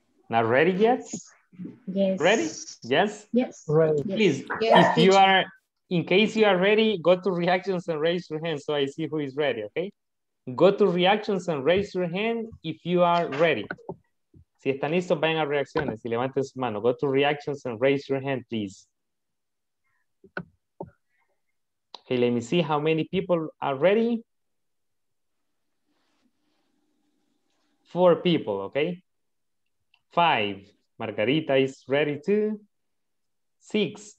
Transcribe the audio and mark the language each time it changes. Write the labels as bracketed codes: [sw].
[en] Not ready yet? Yes. Ready? Yes? Yes. Ready. Please, yes. If you are, in case you are ready, go to reactions and raise your hand so I see who is ready, okay? Go to reactions and raise your hand if you are ready. [es] Si están listos, vayan a reacciones y levanten su mano. [en] Go to reactions and raise your hand, please. Okay, let me see how many people are ready. 4 people, okay? 5. Margarita is ready too. 6.